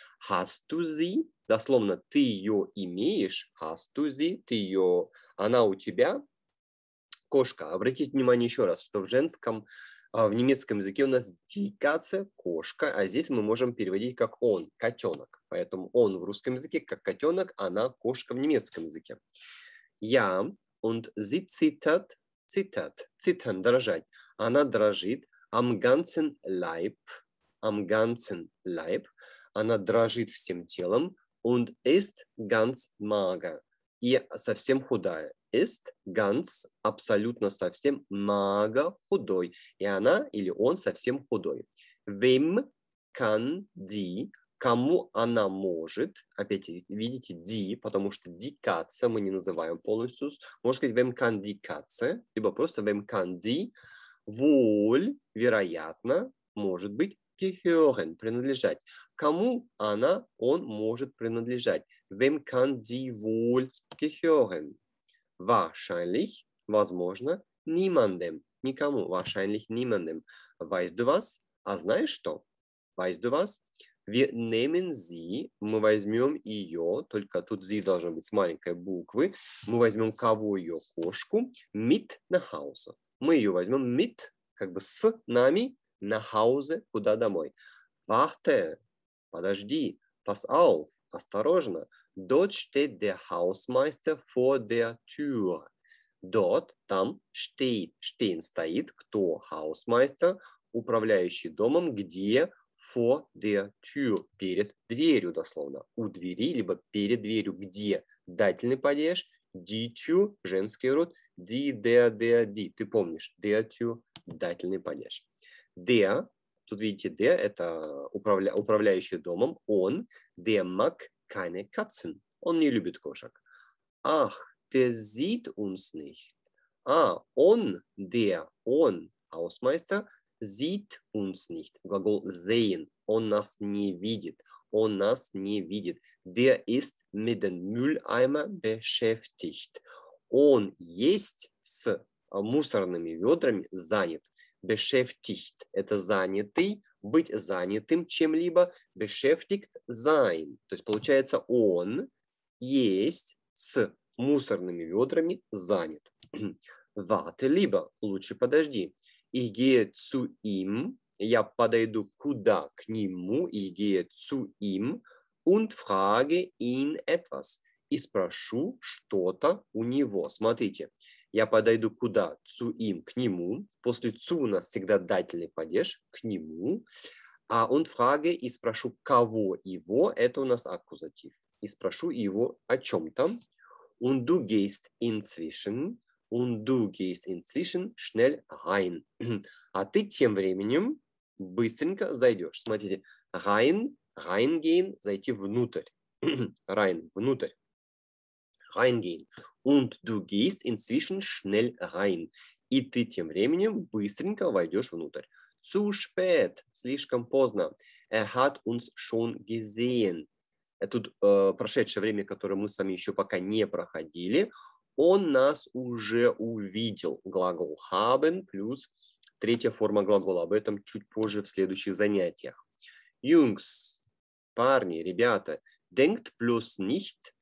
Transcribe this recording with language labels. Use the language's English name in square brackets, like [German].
[German] Hast du sie, [Russian] дословно, ты ее имеешь, [German] hast du sie, [Russian] ты ее, она у тебя, кошка. Обратите внимание еще раз, что в женском, в немецком языке у нас [German] die Katze, [Russian] кошка, а здесь мы можем переводить как он, котенок. Поэтому он в русском языке как котенок, она кошка в немецком языке. [German] Ja, und sie zittert, zittert, zittern, [Russian] дрожать. Она дрожит [German] am ganzen Leib, [Russian] она дрожит всем телом, [German] und ist ganz mager, [Russian] и совсем худая. [German] Ist ganz, [Russian] абсолютно совсем, [German] mager, [Russian] худой. И она или он совсем худой. [German] Wem kann die, [Russian] кому она может, опять видите, die, потому что die Katze мы не называем полностью, можно сказать, [German] wem kann die Katze, [Russian] либо просто [German] wem kann die, wohl, [Russian] вероятно, может быть, [German] gehören, [Russian] принадлежать. Кому она, он может принадлежать. [German] Wem kann die wohl gehören? Wahrscheinlich, [Russian] возможно, [German] niemandem. [Russian] Никому, [German] wahrscheinlich niemandem. Weißt du was? [Russian] А знаешь что? [German] Weißt du was? Wir nehmen sie, [Russian] мы возьмем ее, только тут sie должно быть с маленькой буквы, мы возьмем кого ее, кошку, [German] mit nach Hause. [Russian] Мы ее возьмем [German] mit, [Russian] как бы с нами, [German] nach Hause, [Russian] куда домой. [German] Warte, [Russian] подожди, [German] pass auf, [Russian] осторожно. [German] Dort steht der Hausmeister vor der Tür. Dort, [Russian] там, [German] steht, stehen, [Russian] стоит, кто? [German] Hausmeister, [Russian] управляющий домом, где? [German] Vor der Tür, [Russian] перед дверью, дословно. У двери, либо перед дверью, где? Дательный падеж, [German] die Tür, [Russian] женский род, [German] die, der, die, [Russian] ты помнишь, [German] der Tür, [Russian] дательный падеж. Der, тут видите, der, это управляющий домом, он, [German] der mag keine Katzen. [Russian] Он не любит кошек. [German] Ach, der sieht uns nicht. [Russian] А, он, [German] der, [Russian] он, [German] Hausmeister, sieht uns nicht. [Russian] Глагол [German] sehen. [Russian] Он нас не видит. Он нас не видит. [German] Der ist mit den Mülleimer beschäftigt. [Russian] Он есть с мусорными ведрами занят. [German] Beschäftigt. [Russian] Это занятый. Быть занятым чем-либо, [German] beschäftigt sein. [Russian] То есть получается, он есть с мусорными ведрами занят. [German] Warte, [Russian] либо, лучше подожди. [German] Ich gehe zu ihm, [Russian] я подойду куда? К нему, [German] ich gehe zu ihm und frage ihn etwas. [Russian] И спрошу что-то у него. Смотрите, я подойду куда? [German] Zu ihm, [Russian] к нему. После [German] zu [Russian] у нас всегда дательный падеж. К нему. А он фраге и спрошу кого его. Это у нас аккузатив. И спрошу его о чем-то. [German] Und du gehst inzwischen. Und du gehst inzwischen schnell rein. [Russian] А ты тем временем быстренько зайдешь. Смотрите, [German] rein, reingehen, [Russian] зайти внутрь. [German] Rein, [Russian] внутрь. [German] Reingehen. Und du gehst inzwischen schnell rein. [Russian] И ты тем временем быстренько войдешь внутрь. [German] Zu spät. [Russian] Слишком поздно. [German] Er hat uns schon gesehen. [Russian] Тут прошедшее время, которое мы с вами еще пока не проходили. Он нас уже увидел. Глагол [German] haben [Russian] плюс третья форма глагола. Об этом чуть позже в следующих занятиях. [German] Jungs. [Russian] Парни, ребята. [German] Denkt plus nicht.